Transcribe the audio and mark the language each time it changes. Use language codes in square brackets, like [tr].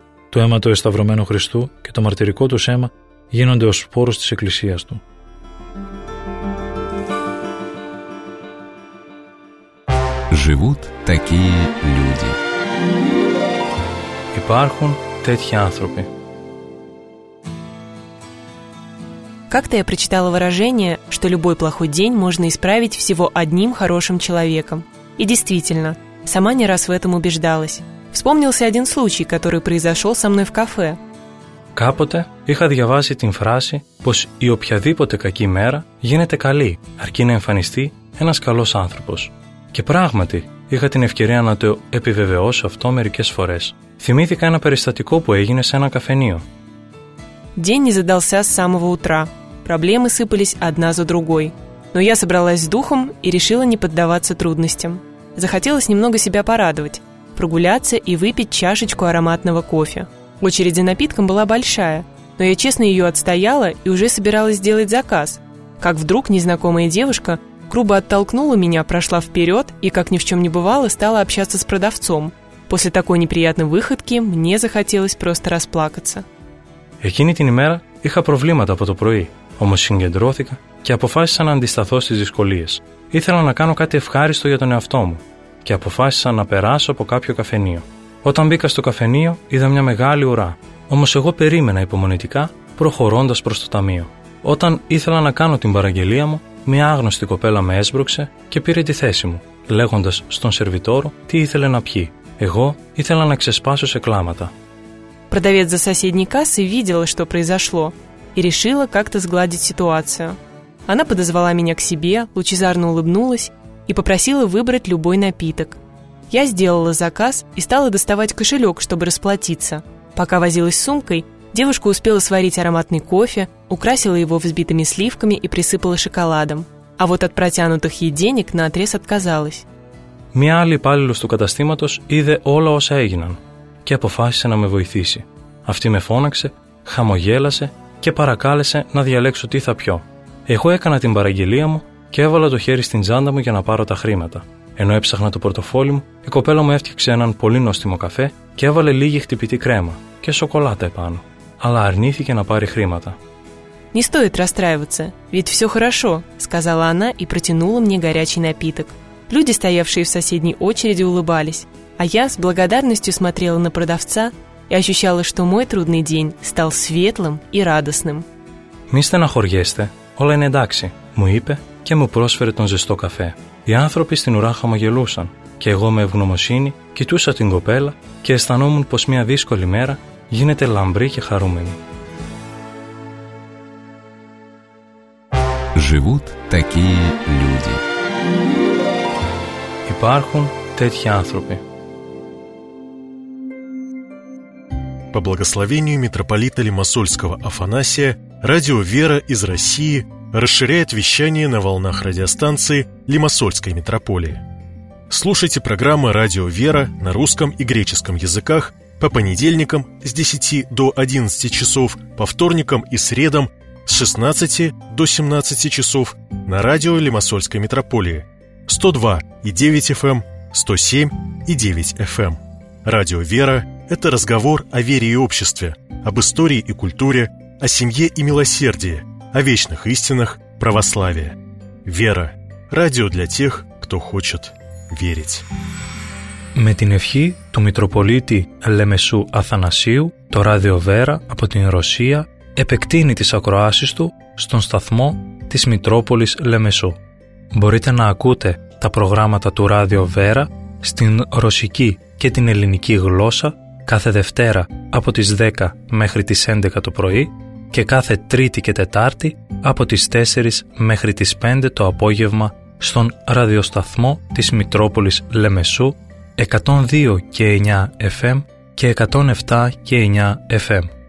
[el] Το αίμα του εσταυρωμένου Χριστού και το μαρτυρικό του αίμα γίνονται ως σπόρος της Εκκλησίας του. [ru] Живут такие люди. [el] Υπάρχουν τέτοιοι άνθρωποι. [ru] Как-то я прочитала выражение, что любой плохой день можно исправить всего одним хорошим человеком. И действительно, сама не раз в этом убеждалась. Вспомнился один случай, который произошел со мной в кафе. [el] Κάποτε είχα διαβάσει την φράση πως η οποιαδήποτε κακή μέρα γίνεται καλή, αρκεί να εμφανιστεί ένας καλός άνθρωπος. Και πράγματι, είχα την ευκαιρία να το επιβεβαιώσω αυτό μερικές φορές. Θυμήθηκα ένα περιστατικό που έγινε σε ένα καφενείο. [ru] День не задался с самого утра. Проблемы сыпались одна за другой. Но я собралась с духом и решила не поддаваться трудностям. Захотелось немного себя порадовать, прогуляться и выпить чашечку ароматного кофе. Очередь за напитком была большая, но я честно ее отстояла и уже собиралась сделать заказ. Как вдруг незнакомая девушка грубо оттолкнула меня, прошла вперед и, как ни в чем не бывало, стала общаться с продавцом. После такой неприятной выходки мне захотелось просто расплакаться. [el] Εκείνη την ημέρα είχα προβλήματα από το πρωί, όμως συγκεντρώθηκα και αποφάσισα να αντισταθώ στις δυσκολίες. Ήθελα να κάνω κάτι ευχάριστο για τον εαυτό μου και αποφάσισα να περάσω από κάποιο καφενείο. Όταν μπήκα στο καφενείο, είδα μια μεγάλη ουρά. Όμως εγώ περίμενα υπομονητικά, προχωρώντας προς το ταμείο. Όταν ήθελα να κάνω την παραγγελία μου, μια άγνωστη κοπέλα με έσπρωξε και πήρε τη θέση μου, λέγοντας στον σερβιτόρο τι ήθελε να πιει. Εγώ ήθελα να ξεσπάσω σε κλάματα. [ru] Продавец за соседней кассой видела, что произошло, и решила как-то сгладить ситуацию. Она подозвала меня к себе, лучезарно улыбнулась и попросила выбрать любой напиток. Я сделала заказ и стала доставать кошелек, чтобы расплатиться. Пока возилась с сумкой, девушка успела сварить ароматный кофе, украсила его взбитыми сливками и присыпала шоколадом. А вот от протянутых ей денег наотрез отказалась. [el] Μια άλλη υπάλληλος του καταστήματος είδε όλα όσα έγιναν και αποφάσισε να με βοηθήσει. Αυτή με φώναξε, χαμογέλασε και παρακάλεσε να διαλέξω τι θα πιω. Εγώ έκανα την παραγγελία μου και έβαλα το χέρι στην τσάντα μου για να πάρω τα χρήματα. Ενώ έψαχνα το πορτοφόλι μου, η κοπέλα μου έφτιαξε έναν πολύ νόστιμο καφέ και έβαλε λίγη χτυπητή κρέμα και σοκολάτα επάνω. Αλλά αρνήθηκε να πάρει χρήματα. [ru] «Не стоит расстраиваться, ведь все хорошо», сказала она и протянула мне горячий напиток. Люди, стоявшие в соседней очереди, улыбались, а я с благодарностью смотрела на продавца, и ощущала, что мой трудный день стал светлым и радостным. [el] «Мη στεναχωριέστε, όλα είναι εντάξει», μου είπε και μου πρόσφερε τον ζεστό καφέ. Οι άνθρωποι στην ουρά χαμογελούσαν και εγώ με ευγνωμοσύνη κοιτούσα την κοπέλα και αισθανόμουν πως μια δύσκολη μέρα γίνεται λαμπρή και χαρούμενη. [ru] Живут такие люди. [el] Υπάρχουν τέτοιοι άνθρωποι. [ru] По благословению митрополита Лимассольского Афанасия, радио «Вера» из России расширяет вещание на волнах радиостанции Лимассольской митрополии. Слушайте программы «Радио «Вера» на русском и греческом языках по понедельникам с 10 до 11 часов, по вторникам и средам с 16 до 17 часов на радио Лимассольской митрополии 102.9 FM, 107.9 FM. Радио «Вера» – это разговор о вере и обществе, об истории и культуре, о семье и милосердии, о вечных истинах православия. «Вера» – радио для тех, кто хочет верить. [el] Με την ευχή του Μητροπολίτη Λεμεσού Αθανασίου, το Ράδιο Βέρα από την Ρωσία επεκτείνει τις ακροάσεις του στον σταθμό της Μητρόπολης Λεμεσού. Μπορείτε να ακούτε τα προγράμματα του Ράδιο Βέρα στην ρωσική και την ελληνική γλώσσα κάθε Δευτέρα από τις 10 μέχρι τις 11 το πρωί και κάθε Τρίτη και Τετάρτη από τις 4 μέχρι τις 5 το απόγευμα στον ραδιοσταθμό της Μητρόπολης Λεμεσού 102 και 9 FM και 107 και 9 FM.